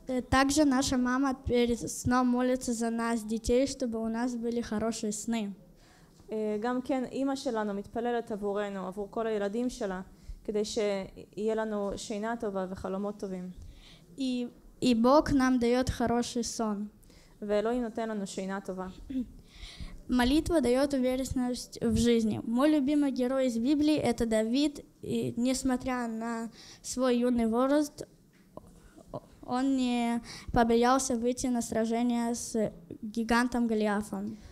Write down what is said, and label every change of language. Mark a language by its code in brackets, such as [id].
[ru] Также наша мама перед сном молится за нас, детей, чтобы у нас были хорошие сны. [he] גם כן, אמא שלנו מתפללת עבורנו, עבור כל הילדים שלה, כדי שיהיה לנו שינה טובה וחלומות טובים. [ru] И Бог нам дает хороший сон. [he] ואלוהים נותן לנו שינה טובה. [ru] Молитва дает уверенность в жизни. Мой любимый герой из Библии – это Давид, и несмотря на свой юный возраст, он не побоялся выйти на сражение с гигантом Голиафом.